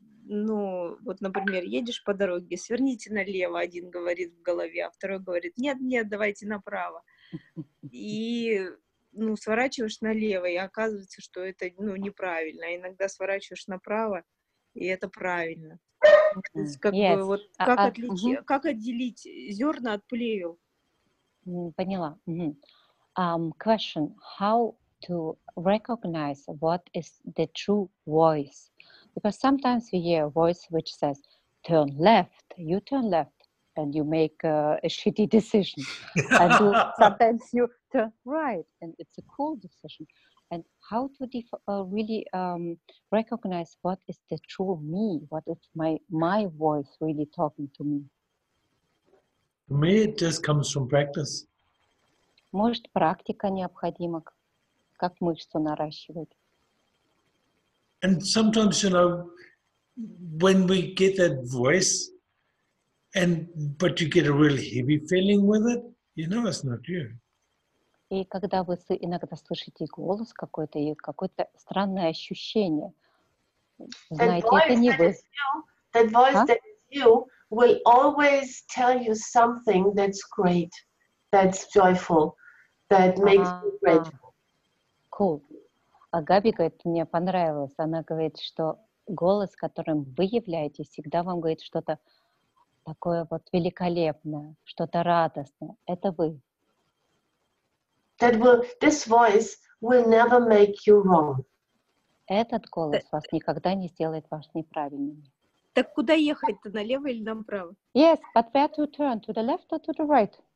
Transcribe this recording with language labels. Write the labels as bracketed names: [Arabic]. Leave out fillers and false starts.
[Russian] Ну, вот, например, едешь по дороге, сверните налево, один говорит в голове, а второй говорит, нет, давайте направо. И, ну, сворачиваешь налево, и оказывается, что это, ну, неправильно. Иногда сворачиваешь направо, и это правильно. Как, [English] yes. [Russian] бы, вот, как, отличить, uh-huh. как отделить зерна от плевел? Поняла. Uh-huh. [English] Question, how to recognize what is the true voice? Because sometimes we hear a voice which says, turn left, you turn left, and you make a shitty decision. And sometimes you turn right, and it's a cool decision. And how to really recognize what is the true me, what is my voice really talking to me? To me, it just comes from practice. [Russian] Может, практика необходима, как мышцу наращивать. [English] And sometimes, you know, when we get that voice, but you get a really heavy feeling with it, you know it's not you. [Russian] И когда вы иногда слышите голос какой-то, и какое-то странное ощущение, знаете, это не вы. [English] That voice that is you will always tell you something that's great, that's joyful. That makes you grateful. Cool. [Russian] А Габи говорит, мне понравилось. Она говорит, что голос, которым вы являетесь, всегда вам говорит что-то такое вот великолепное, что-то радостное. Это вы. [English] That will, this voice will never make you wrong. [Russian] Этот голос вас никогда не сделает вас неправильными. Так куда ехать-то, налево или направо? [English] Yes, but where to turn, to the left or to the right?